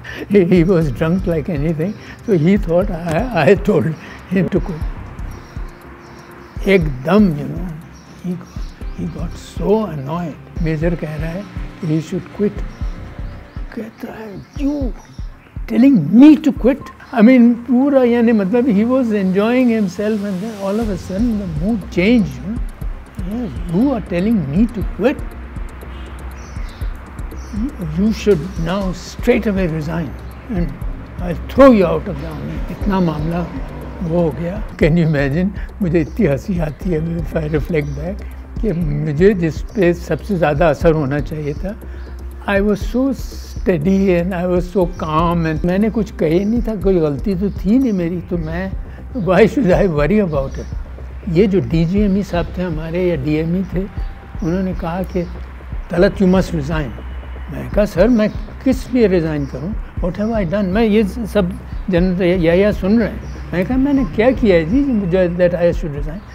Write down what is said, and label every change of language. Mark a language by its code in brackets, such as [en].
[en] He was drunk like anything, تو he thought I told him to quit. [ur] ایک them [en] You know he got so annoyed. [ur] Major کہہ رہا ہے [en] he should quit, [ur] کہتا ہے [en] You telling me to quit. I mean, [ur] pura, yani, matlab, [en] he was enjoying himself and then all of a sudden the mood changed. You know? Yes, you are telling me to quit. You should now straight away resign and I'll throw you out of the army. [ur] Itna mamla wo ho gaya. [en] Can you imagine? [ur] Mujhe itni hansi aati hai [en] if I reflect back. [ur] Ke mujhe jis pe sabse zyada asar hona chahiye tha. [en] I was so steady and I was so calm and [ur] میں نے کچھ کہی نہیں تھا, کوئی غلطی تو تھی نہیں میری, تو میں [en] why should I worry about it. [ur] یہ جو ڈی جی ایم ای صاحب تھے ہمارے یا ڈی ایم ای تھے, انہوں نے کہا کہ طلعت [en] You must resign. [ur] میں کہا سر میں کس لیے ریزائن کروں, [en] What have I done. [ur] میں یہ سب جنرل یحییٰ سن رہے ہیں. میں کہا میں نے کیا کیا ہے جی مجھے [en] That I should resign.